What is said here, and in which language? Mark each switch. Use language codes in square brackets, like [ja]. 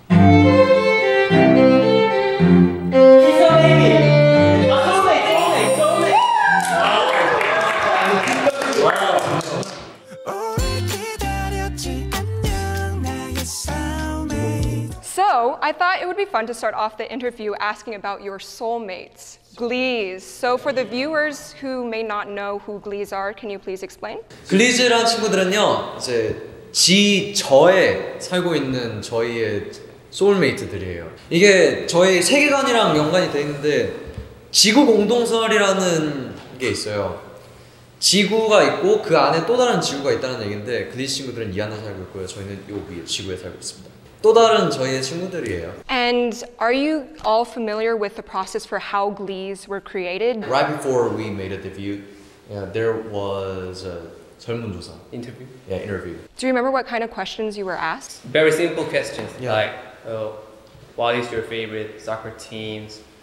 [en] So, I thought it would be fun to start off the interview asking about your soulmates, Glees. So for the viewers who may not know who Glees are, can you please explain? [ko] Glees란 친구들은요, 이제 지 저에 살고 있는 저희의 소울메이트들이에요. 이게 저희 세계관이랑 연관이 돼 있는데 지구 공동설이라는 게 있어요. 지구가 있고 그 안에 또 다른 지구가 있다는 얘긴데 Glees 친구들은 이 안에 살고 있고요. 저희는 여기 지구에 살고 있습니다. 또 다른 저희의 친구들이에요. [en] And are you all familiar with the process for how Glees were created? Right before we made a debut, yeah, there was a 설문조사. Interview? Yeah, interview. Do you remember what kind of questions you were asked? Very simple questions, yeah. Like, what is your favorite soccer teams?